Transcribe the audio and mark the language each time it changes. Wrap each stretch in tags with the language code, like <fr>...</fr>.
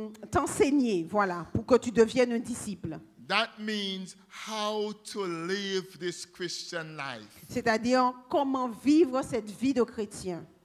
<fr>t'enseigner, voilà, pour que tu deviennes un disciple.</fr> <en>That means how to live this Christian life.</en> <fr>C'est-à-dire comment vivre cette vie de chrétien.</fr>